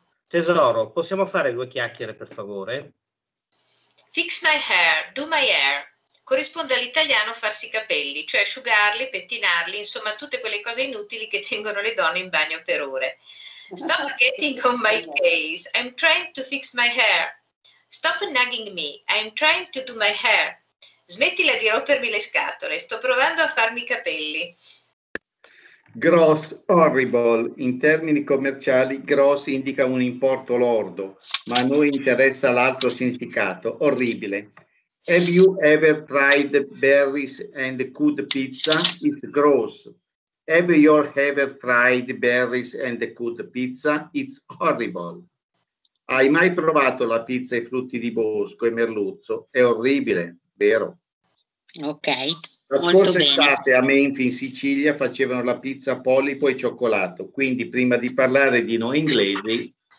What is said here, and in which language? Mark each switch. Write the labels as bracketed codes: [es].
[it] Tesoro, possiamo fare due chiacchiere, per favore? [en] Fix my hair, do my hair. [it] Corrisponde all'italiano farsi i capelli, cioè asciugarli, pettinarli, insomma tutte quelle cose inutili che tengono le donne in bagno per ore. [en] Stop getting on my case, I'm trying to fix my hair. Stop nagging me, I'm trying to do my hair. [it] Smettila di rompermi le scatole, sto provando a farmi i capelli. [en] Gross, horrible. [it] In termini commerciali, gross indica un importo lordo, ma a noi interessa l'altro significato, orribile. [en] Have you ever tried berries and good pizza? It's gross. Have you ever tried berries and good pizza? It's horrible. [it] Hai mai provato la pizza e frutti di bosco e merluzzo? È orribile, vero? Ok. La scorsa estate a Memphis, in Sicilia, facevano la pizza polipo e cioccolato. Quindi, prima di parlare di noi inglesi.